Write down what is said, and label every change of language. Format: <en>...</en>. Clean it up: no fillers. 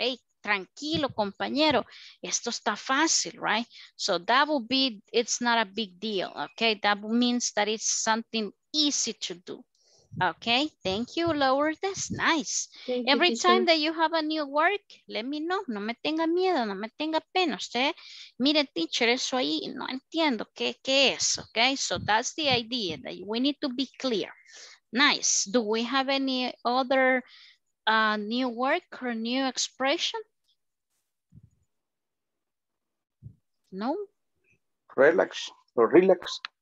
<es>Hey, tranquilo, compañero. Esto está fácil,</es> <en>right? So that will be, it's not a big deal. Okay, that means that it's something easy to do. Okay, thank you, Lower. That's nice. Every time that you have a new work, let me know.</en> <es>No me tenga miedo, no me tenga pena. Usted, mire, teacher, eso ahí, no entiendo qué es.</es> <en>Okay, so that's the idea that we need to be clear. Nice. Do we have any other new work or new expression? No? Relax or relax.</en>